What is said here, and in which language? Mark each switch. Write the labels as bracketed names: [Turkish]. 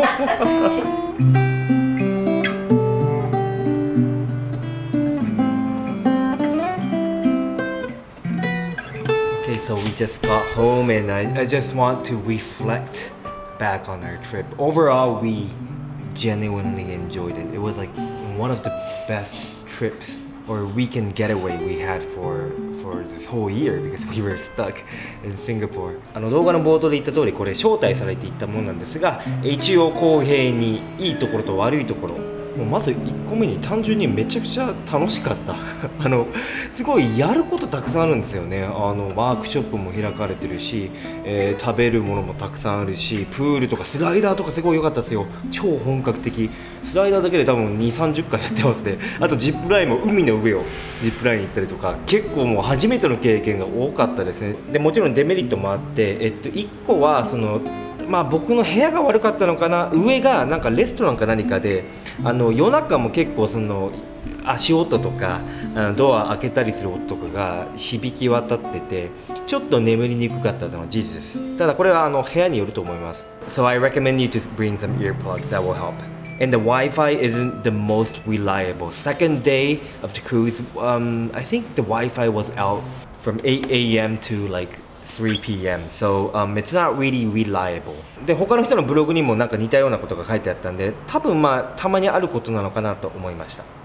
[English] Okay, so we just got home and I just want to reflect back on our trip. Overall, we genuinely enjoyed it. It was like one of the best trips or weekend getaway we had for this whole year because we were stuck in Singapore. [Japanese] あの動画の冒頭で言った通り、これ招待されていったものなんですが、一応公平にいいところと悪いところ。もうまず1個目に単純にめちゃくちゃ楽しかったあのすごいやることたくさんあるんですよね。あのワークショップも開かれてるし、食べるものもたくさんあるし、プールとかスライダーとかすごい良かったですよ。超本格的、スライダーだけで多分2、30回やってますね。あとジップラインも海の上をジップライン行ったりとか、結構もう初めての経験が多かったですね。でもちろんデメリットもあって、1個はそのまあ僕の部屋が悪かったのかな、上がなんかレストランか何かで、あの夜中も結構その足音とかあのドア開けたりする音とかが響き渡ってて、ちょっと眠りにくかったのは事実です。ただこれはあの部屋によると思います。 [English] So I recommend you to bring some earplugs, that will help. And the Wi-Fi isn't the most reliable. Second day of the cruise, I think the Wi-Fi was out from 8 a.m. to like 3 p.m. So, it's not really reliable. [Japanese] で他の人のブログにもなんか似たようなことが書いてあったんで、多分まあたまにあることなのかなと思いました。